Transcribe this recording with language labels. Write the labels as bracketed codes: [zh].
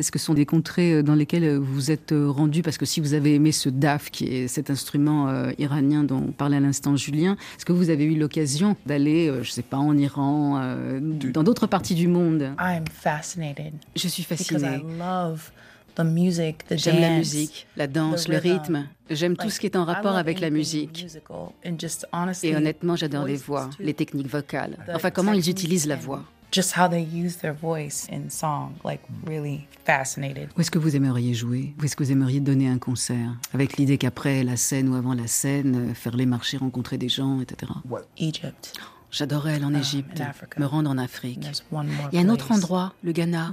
[fr] Est-ce que ce sont des contrées dans lesquelles vous vous êtes rendu ? Parce que si vous avez aimé ce DAF, qui est cet instrument iranien dont parlait à l'instant Julien, est-ce que vous avez eu l'occasion d'aller, je ne sais pas, en Iran, dans d'autres parties du monde ? [en] I'm fascinated. [fr] Je suis fascinée. [en] Because I love the music, the [fr] J'aime [en] dance, [fr] la musique, la danse, le rythme. J'aime tout ce qui est en rapport avec la musique. Et honnêtement, j'adore les voix, les techniques vocales. Enfin, comment ils utilisent la voix. [en] Just how they use their voice in song, like really fascinated. [fr] Où est-ce que vous aimeriez jouer ? Où est-ce que vous aimeriez donner un concert ? Avec l'idée qu'après la scène ou avant la scène, faire les marchés, rencontrer des gens, etc. [en] What? Egypt. [fr] J'adorerais aller en Égypte, me rendre en Afrique. Il y a un autre endroit, le Ghana.